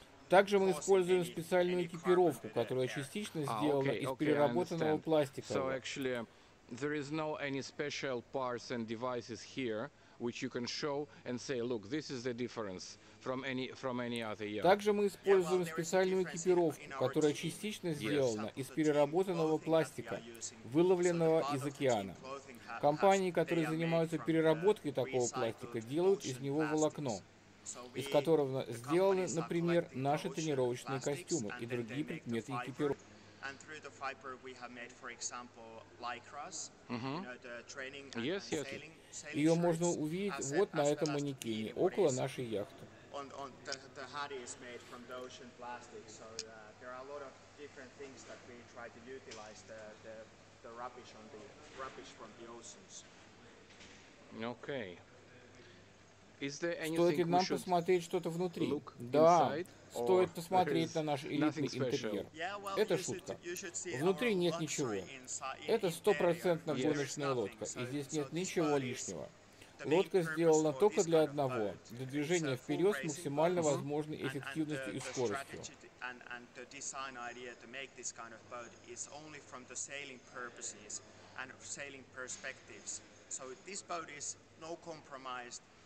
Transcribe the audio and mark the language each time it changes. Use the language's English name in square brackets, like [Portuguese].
[Russian] Также мы используем специальную экипировку, которая частично сделана из переработанного пластика. [English] There is no any special parts and devices here which you can show and say, look, this is the difference from any other yacht. [Russian] Также мы используем специальную экипировку, которая частично сделана из переработанного пластика, выловленного из океана. Компании, которые занимаются переработкой такого пластика, делают из него волокно, из которого сделаны, например, наши тренировочные костюмы и другие предметы экипировки. [English] And through the fiber we have made, for example, lycras, mm-hmm. you know, the training and, yes, and sailing shirts. [Russian] Ее можно увидеть вот на этом манекене, около нашей яхты. [English] The hat is made from the ocean plastic, so there are a lot of different things that we try to utilize the rubbish on the rubbish from the oceans. Okay. [Russian] Стоит ли нам посмотреть что-то внутри? Да, стоит посмотреть на наш элитный интерьер. Это шутка. Внутри нет ничего. Это 100% гоночная лодка, и здесь нет ничего лишнего. Лодка сделана только для одного, для движения вперед с максимально возможной эффективностью и скоростью.